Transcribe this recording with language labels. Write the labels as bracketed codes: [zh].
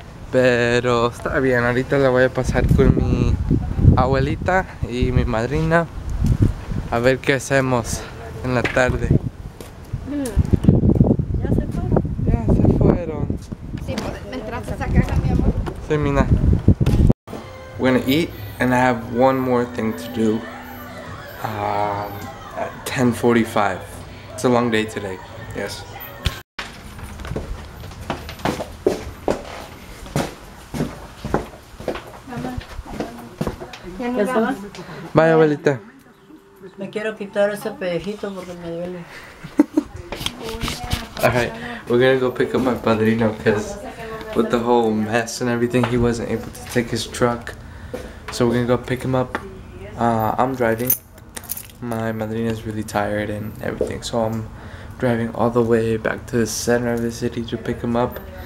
[es] Pero está bien, ahorita la voy a pasar con mi abuelita y mi madrina. A ver qué hacemos en la tarde. ¿Ya se fueron? Ya se fueron. Sí, ¿me entraste a sacar a mi amor? Sí, mina. [en] We're gonna eat, and I have one more thing to do. At 10:45. It's a long day today. Yes. Bye, abuelita. [es] Me quiero quitar ese pellejito porque me duele. [en] Alright, we're gonna go pick up my padrino because with the whole mess and everything, he wasn't able to take his truck. So we're gonna go pick him up. I'm driving. My madrina is really tired and everything, so I'm driving all the way back to the center of the city to pick him up.